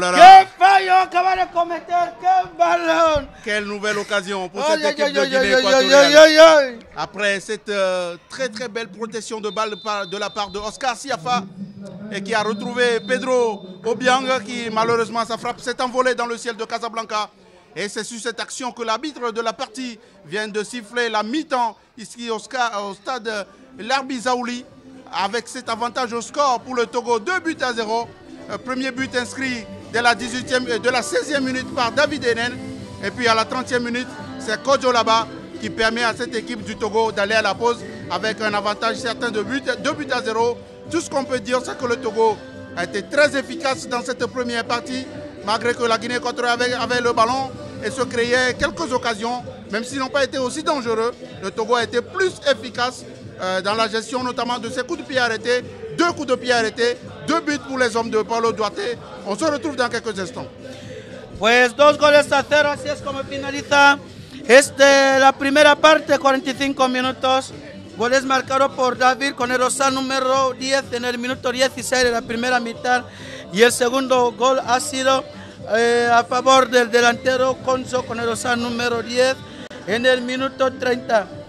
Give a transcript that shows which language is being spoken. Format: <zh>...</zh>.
<es>¡qué fallo acaba de cometer! ¡Qué balón!</es> <fr>Quelle nouvelle occasion pour cette équipe de Guinée équatoriale. Après cette très très belle protection de balle de la part de Oscar Siapa et qui a retrouvé Pedro Obiang qui malheureusement sa frappe s'est envolée dans le ciel de Casablanca. Et c'est sur cette action que l'arbitre de la partie vient de siffler la mi-temps ici au stade Larbi Zaouli. Avec cet avantage au score pour le Togo, 2-0. Premier but inscrit dès la 16e minute par David Henen. Et puis à la 30e minute, c'est Kojo Laba qui permet à cette équipe du Togo d'aller à la pause avec un avantage certain de 2-0. Tout ce qu'on peut dire, c'est que le Togo a été très efficace dans cette première partie, malgré que la Guinée équatoriale avait le ballon et se créait quelques occasions. Même s'ils n'ont pas été aussi dangereux, le Togo a été plus efficace dans la gestion notamment de ces coups de pied arrêtés, deux coups de pied arrêtés, deux buts pour les hommes de Paulo Duarte. On se retrouve dans quelques instants.</fr> <es>Pues 2-0, así es como finaliza este, la primera parte, 45 minutos. Goles marcados por David con el osal número 10 en el minuto 16 de la primera mitad. Y el segundo gol ha sido a favor del delantero Conso con el osal número 10 en el minuto 30.</es>